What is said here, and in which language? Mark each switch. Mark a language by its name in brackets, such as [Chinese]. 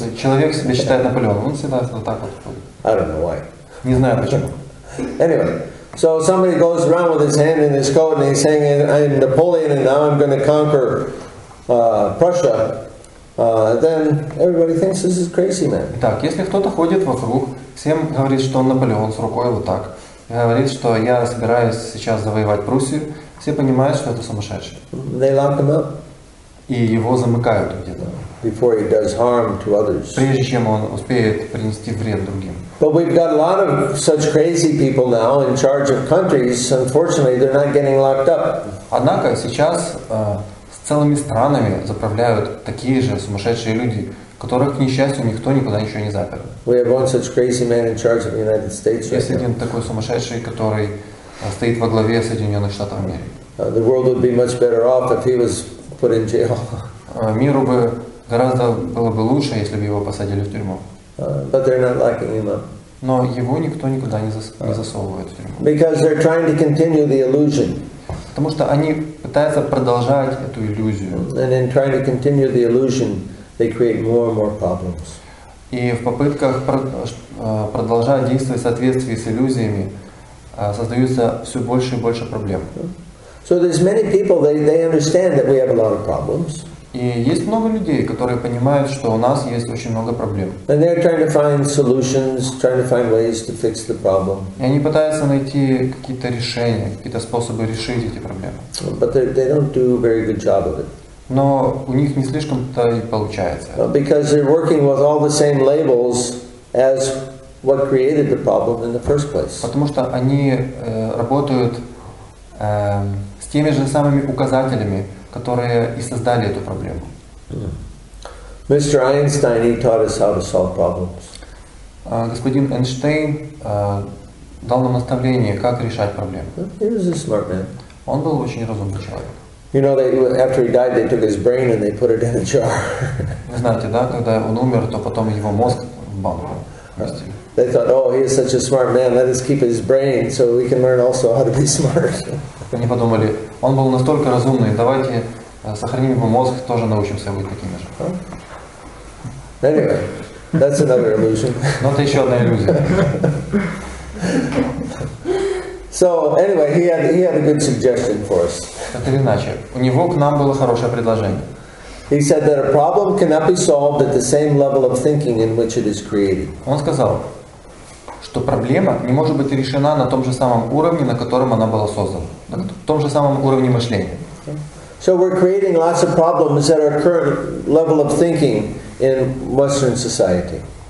[Russian] Когда человек себя считает Наполеоном, он всегда вот так вот ходит. [English] I don't know why. [Russian] Не знаю почему. [English] Anyway. So somebody goes around with his hand in his coat and he's saying, I'm Napoleon and now I'm going to conquer Prussia. Then everybody thinks this is crazy man. [Russian] Так, если кто-то ходит вокруг, всем говорит, что он Наполеон с рукой вот так, говорит, что я собираюсь сейчас завоевать Пруссию, все понимают, что это сумасшедший. [English] They lock him up. [Russian] И его замыкают где-то. [English] Before he does harm to others. [Russian] Прежде чем он успеет принести вред другим. [English] But we've got a lot of such crazy people now in charge of countries. Unfortunately, they're not getting locked up. [Russian] Однако сейчас целыми странами заправляют такие же сумасшедшие люди, которых, к несчастью, никто никуда ничего не запер. [English] We have one such crazy man in charge of the United States. [Russian] Есть один такой сумасшедший, который стоит во главе Соединенных Штатов Америки. [English] The world would be much better off if he was put in jail. [Russian] Миру бы гораздо было бы лучше, если бы его посадили в тюрьму. [English] But they're not locking him up. [Russian] Но его никто никуда не засовывает в тюрьму. [English] Because they're trying to continue the illusion. [Russian] Потому что они пытаются продолжать эту иллюзию. [English] And in trying to continue the illusion, they create more and more problems. [Russian] И в попытках продолжать действовать в соответствии с иллюзиями создаются все больше и больше проблем. [English] So there's many people, they understand that we have a lot of problems. [Russian] И есть много людей, которые понимают, что у нас есть очень много проблем. [English] And they're trying to find solutions, trying to find ways to fix the problem. [Russian] И они пытаются найти какие-то решения, какие-то способы решить эти проблемы. [English] But they don't do a very good job of it. [Russian] Но у них не слишком-то и получается. [English] Because they're working with all the same labels as what created the problem in the first place. [Russian] Потому что они работают с теми же самыми указателями, которые и создали эту проблему. [English] Mr. Einstein, he taught us how to solve problems. [Russian] Господин Эйнштейн дал нам наставление, как решать проблемы. [English] He was a smart man. [Russian] Он был очень разумный человек. [English] You know, after he died, they took his brain and they put it in a jar. [Russian] Вы знаете, да, когда он умер, то потом его мозг в банку. [English] They thought, oh, he is such a smart man. Let us keep his brain so we can learn also how to be smart. [Russian] Они подумали, он был настолько разумный, давайте сохраним его мозг, тоже научимся быть такими же. [English] Anyway, that's another illusion. [Russian] Но это еще одна иллюзия. [English] So anyway, he had a good suggestion for us. [Russian] Так или иначе, у него к нам было хорошее предложение. [English] He said that a problem cannot be solved at the same level of thinking in which it is created. [Russian] Он сказал, что проблема не может быть решена на том же самом уровне, на котором она была создана, на том же самом уровне мышления. [English] So we're creating lots of problems at our current level of thinking in Western society.